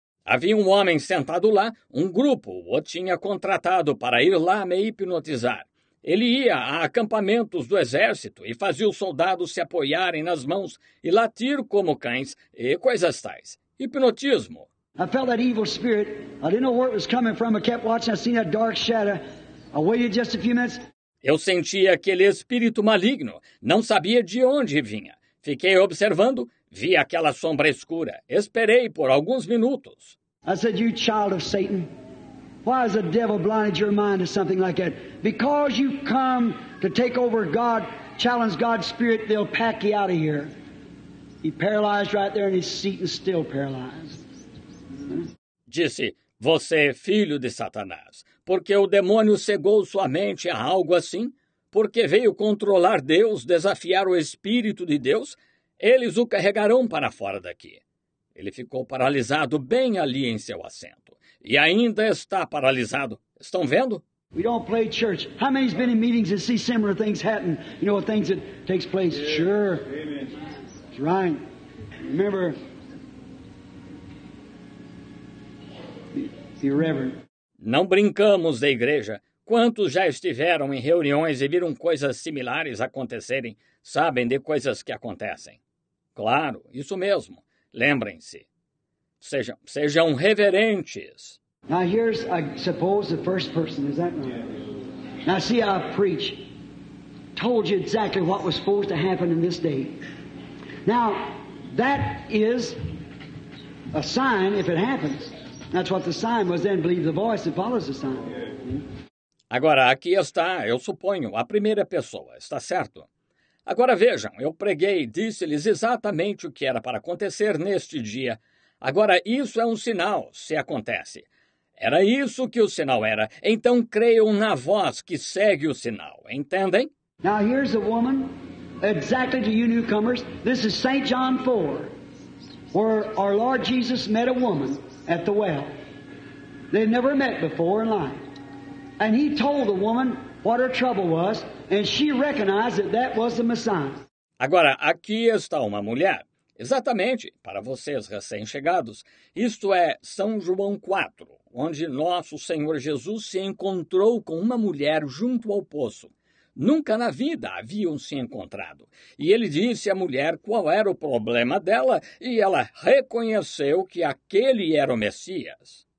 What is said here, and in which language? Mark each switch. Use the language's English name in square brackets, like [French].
[Portuguese] Havia um homem sentado lá, um grupo o tinha contratado para ir lá me hipnotizar. Ele ia a acampamentos do exército e fazia os soldados se apoiarem nas mãos e latir como cães e coisas tais. Hipnotismo. [English] I felt that evil spirit. I didn't know where it was coming from. I kept watching. I seen that dark shadow. I waited just a few minutes. [Portuguese] Eu senti aquele espírito maligno. Não sabia de onde vinha. Fiquei observando. Vi aquela sombra escura. Esperei por alguns minutos. I said, you child of Satan, why has the devil blinded your mind to something like that? Because you come to take over God, challenge God's spirit, they'll pack you out of here. He paralyzed right there in his seat and still paralyzed. Disse, você é filho de Satanás. Porque o demônio cegou sua mente a algo assim? Porque veio controlar Deus, desafiar o Espírito de Deus? Eles o carregarão para fora daqui. Ele ficou paralisado bem ali em seu assento. E ainda está paralisado. Estão vendo? [English] We don't play church. How many's been in meetings and see similar things happen? You know, things that takes place. Yeah. Sure. Amen. That's right. Remember, be reverent. [Portuguese] Não brincamos da igreja. Quantos já estiveram em reuniões e viram coisas similares acontecerem? Sabem de coisas que acontecem. Claro, isso mesmo. Lembrem-se. Sejam reverentes. [English] Now here's, I suppose, the first person. Is that right? Now see, I preach. Told you exactly what was supposed to happen in this day. Now, that is a sign if it happens. That's what the sign was then. Believe the voice that follows the sign. [Portuguese] Agora, aqui está, eu suponho, a primeira pessoa. Está certo? Agora vejam, eu preguei e disse-lhes exatamente o que era para acontecer neste dia. Agora isso é um sinal, se acontece. Era isso que o sinal era. Então creiam na voz que segue o sinal. Entendem? [English] Now here's a woman, exactly to you newcomers. This is St. John 4, where our Lord Jesus met a woman at the well. They never met before in life. And he told the woman what her trouble was. And she recognized that that was the Messiah. [Portuguese] Agora, aqui está uma mulher. Exatamente, para vocês recém-chegados. Isto é São João 4, onde nosso Senhor Jesus se encontrou com uma mulher junto ao poço. Nunca na vida haviam se encontrado. E ele disse à mulher qual era o problema dela, e ela reconheceu que aquele era o Messias.